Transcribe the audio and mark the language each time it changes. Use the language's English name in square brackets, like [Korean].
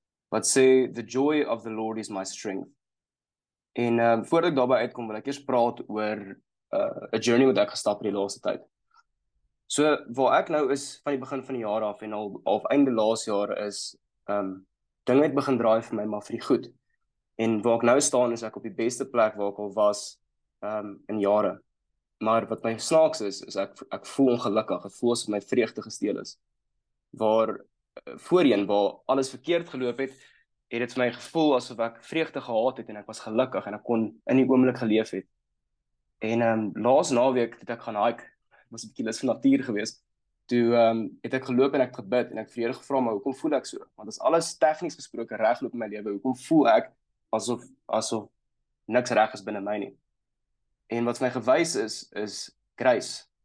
[Afrikaans] Wat sê, [English] the joy of the Lord is my strength. [Afrikaans] En voordat ek daarby uitkom, wil ek eers praat oor 'n journey wat ek gestap het die laaste tyd. So waar ek nou is van die begin van die jaar af en al einde laas jaar is, dinge het begin draai vir my, maar vir die goed. En waar ek nou staan is ek op die beste plek waar ek al was in jare. Maar wat my snaaks is ek voel ongelukkig. Ek voel asof my vreugde gesteel is. Waar voorheen waar alles verkeerd geloop het, het dit vir my gevoel asof ek vreugde gehad het en ek was gelukkig en ek kon in die oomblik geleef het. En laas naweek het ek gaan hike. Ek was 'n bietjie lus vir natuur geweest. Toe het ek geloop en ek gebid en ek het vir Here gevra, maar hoekom voel ek so? Want as alles tegnies gesproke regloop in my lewe, hoekom voel ek asof niks reg is binne my nie. En wat my gewys is grace.